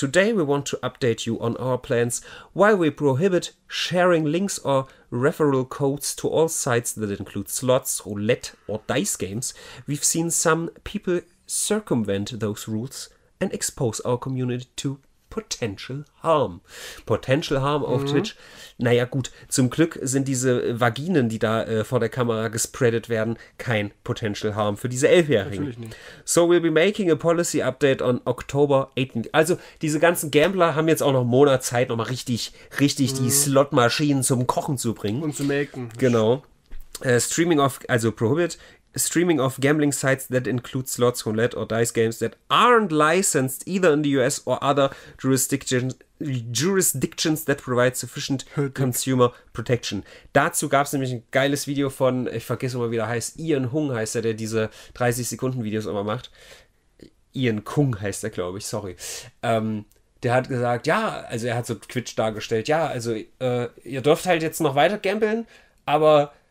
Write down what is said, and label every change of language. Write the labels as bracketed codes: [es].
[en] Today we want to update you on our plans why we prohibit sharing links or referral codes to all sites that include slots, roulette or dice games. We've seen some people circumvent those rules and expose our community to potential harm. Potential harm [de] auf Twitch. Naja, gut. Zum Glück sind diese Vaginen, die da vor der Kamera gespreadet werden, kein [en] Potential harm [de] für diese Elfjährigen. Natürlich nicht. [en] So we'll be making a policy update on October 18th. [de] Also, diese ganzen Gambler haben jetzt auch noch einen Monat Zeit, nochmal richtig die Slotmaschinen zum Kochen zu bringen. Und zu melken. Genau. Also Prohibit. [en] Streaming of gambling sites that include slots, roulette or dice games that aren't licensed either in the US or other jurisdictions that provide sufficient [de] Dick. [en] consumer protection. [de] Dazu gab es nämlich ein geiles Video von, ich vergesse immer, wie der heißt, Ian Hung heißt er, der diese 30-Sekunden-Videos immer macht. Ian Kung heißt er, glaube ich, sorry. Der hat gesagt, ja, also er hat so Twitch dargestellt, ja, also ihr dürft halt jetzt noch weiter gamblen, aber.